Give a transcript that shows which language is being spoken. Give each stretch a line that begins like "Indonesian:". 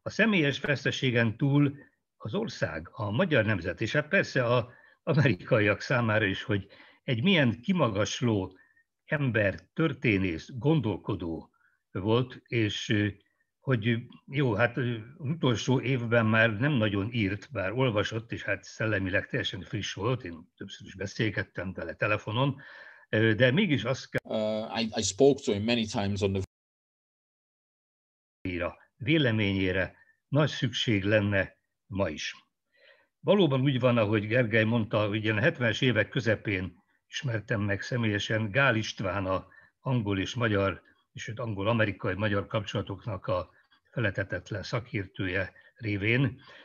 Hungarian: A személyes veszteségen túl az ország, a magyar nemzet, és hát persze az amerikaiak számára is, hogy egy milyen kimagasló ember, történész, gondolkodó volt, és hogy jó, hát az utolsó évben már nem nagyon írt, bár olvasott, és hát szellemileg teljesen friss volt, én többször is beszélgettem vele telefonon, de mégis azt kell...
English: I spoke to him many times on the...
Hungarian: ...véleményére nagy szükség lenne ma is. Valóban úgy van, ahogy Gergely mondta, hogy ilyen 70-es évek közepén ismertem meg személyesen Gál István, a angol és magyar, és angol-amerikai-magyar kapcsolatoknak a feletetetlen szakértője révén.